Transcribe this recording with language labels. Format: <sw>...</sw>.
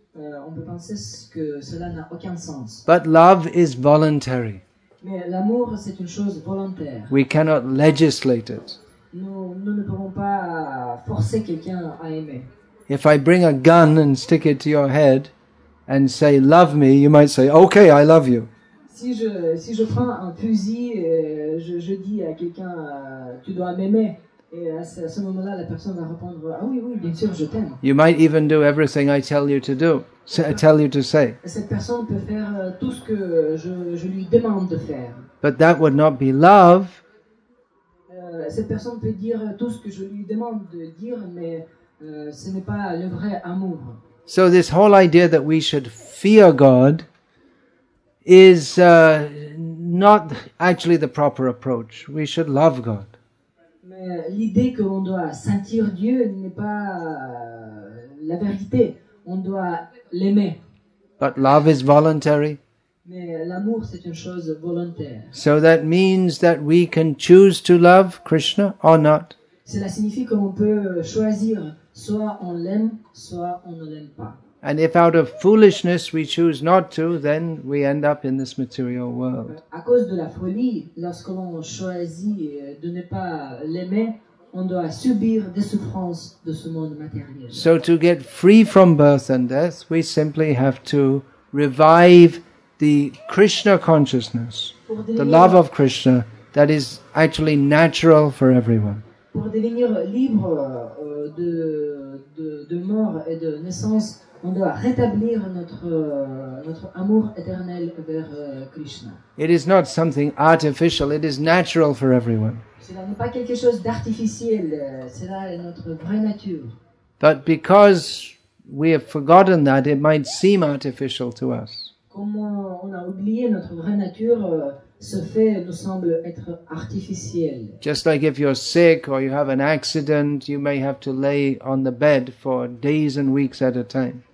<fr>On peut penser que cela n'a aucun sens.</fr> <en>But love is voluntary.</en> <fr>Mais l'amour, c'est une chose volontaire.</fr> <en>We cannot legislate it.</en> <fr>Nous ne pouvons pas forcer quelqu'un à aimer.</fr> <en>If I bring a gun and stick it to your head and say, love me, you might say, okay, I love you.</en> <fr>Si je prends un fusil et je dis à quelqu'un, tu dois m'aimer. Et à ce moment-là, la personne va répondre, ah oui, oui, bien sûr, je t'aime.</fr> <en>You might even do everything I tell you to do, tell you to say.</en> <fr>Cette personne peut faire tout ce que je lui demande de faire.</fr> <en>But that would not be love.</en> <fr>Cette personne peut dire tout ce que je lui demande de dire, mais ce n'est pas le vrai amour.</fr> <en>So this whole idea that we should fear God is not actually the proper approach. We should love God.</en> <fr>L'idée qu'on doit sentir Dieu n'est pas la vérité. On doit l'aimer.</fr> <en>But love is voluntary.</en> <fr>Mais l'amour, c'est une chose volontaire.</fr> <en>So that means that we can choose to love Krishna or not.</en> <fr>Cela signifie qu'on peut choisir, soit on l'aime, soit on ne l'aime pas.</fr> <en>And if out of foolishness we choose not to, then we end up in this material world.</en> <fr>À cause de la folie, lorsqu'on choisit de ne pas l'aimer, on doit subir des souffrances de ce monde matériel.</fr> <en>So to get free from birth and death, we simply have to revive the Krishna consciousness, the love of Krishna, that is actually natural for everyone.</en> <fr>Pour devenir libre de mort et de naissance, on doit rétablir notre amour éternel vers Krishna.</fr> <en>It is not something artificial, it is natural for everyone.</en> <fr>Cela n'est pas quelque chose d'artificiel, cela est notre vraie nature.</fr> <en>But because we have forgotten that, it might seem artificial to us.</en> <fr>Comme on a oublié notre vraie nature, ce fait nous semble être artificiel.</fr> <en>Just like if you're sick or you have an accident, you may have to lay on the bed for days and weeks at a time.</en>